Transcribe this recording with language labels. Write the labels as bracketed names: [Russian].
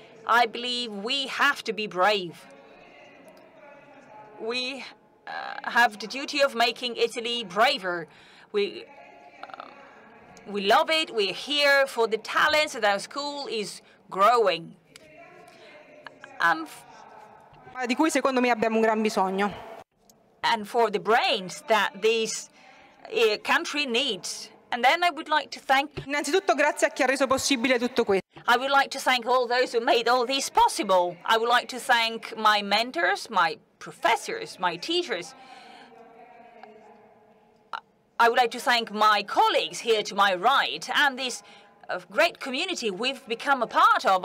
[English] I believe we have to be brave. We have the duty of making Italy braver. We love it, we're here for the talents, and our school is growing. [Italian] Di cui secondo me abbiamo un gran bisogno. [English] And for the brains that this country needs. And then I would like to thank... [Italian] Innanzitutto grazie a chi ha reso possibile tutto questo. [English] I would like to thank all those who made all this possible. I would like to thank my mentors, my professors, my teachers. I would like to thank my colleagues here to my right and this great community we've become a part of.